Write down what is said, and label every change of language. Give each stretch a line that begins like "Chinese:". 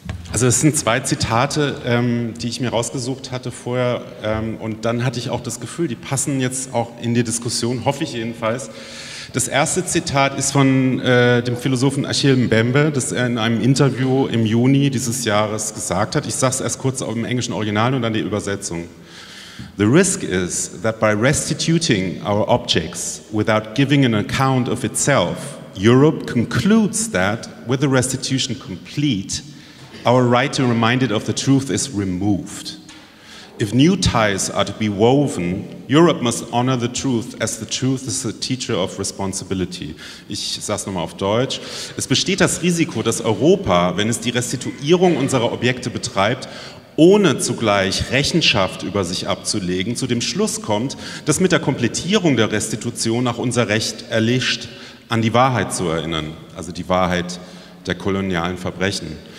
German: Also es sind zwei Zitate, die ich mir rausgesucht hatte vorher und dann hatte ich auch das Gefühl, die passen jetzt auch in die Diskussion, hoffe ich jedenfalls. Das erste Zitat ist von dem Philosophen Achille Mbembe, das er in einem Interview im Juni dieses Jahres gesagt hat. Ich sage es erst kurz im englischen Original und dann die Übersetzung.
English: The risk is that by restituting our objects without giving an account of itself, Europe concludes that, with the restitution complete, our right to remind it of the truth is removed. If new ties are to be woven, Europe must honor the truth, as the truth is the teacher of responsibility.
German: Ich sage es nochmal auf Deutsch. Es besteht das Risiko, dass Europa, wenn es die Restituierung unserer Objekte betreibt, ohne zugleich Rechenschaft über sich abzulegen, zu dem Schluss kommt, dass mit der Komplettierung der Restitution auch unser Recht erlischt, an die Wahrheit zu erinnern, also die Wahrheit der kolonialen Verbrechen.